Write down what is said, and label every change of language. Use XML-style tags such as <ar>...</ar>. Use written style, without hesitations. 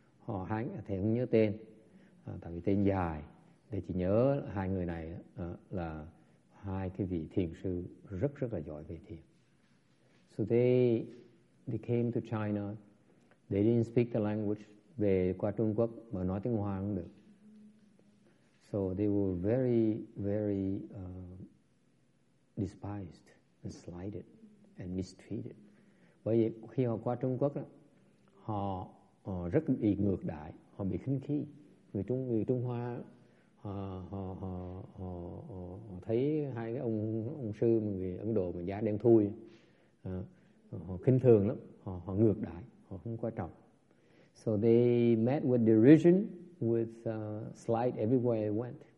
<vi>họ hai thầy không nhớ tên, tại vì tên dài, để chỉ nhớ hai người này là hai cái vị thiền sư rất rất là giỏi về thiền.</vi> <en>So they came to China. They didn't speak the language.</en> <vi>Về qua Trung Quốc mà nói tiếng Hoa không được.</vi> <en>So they were very, very despised and slighted and mistreated.</en> <vi>Bởi vì khi họ qua Trung Quốc, họ rất bị ngược đãi, họ bị khinh khi. Người Trung Hoa họ thấy hai cái ông sư người Ấn Độ mà da đen thui, họ khinh thường lắm, họ ngược đãi, họ không quan trọng.</vi> <en>So they met with derision, with slight everywhere they went.</en>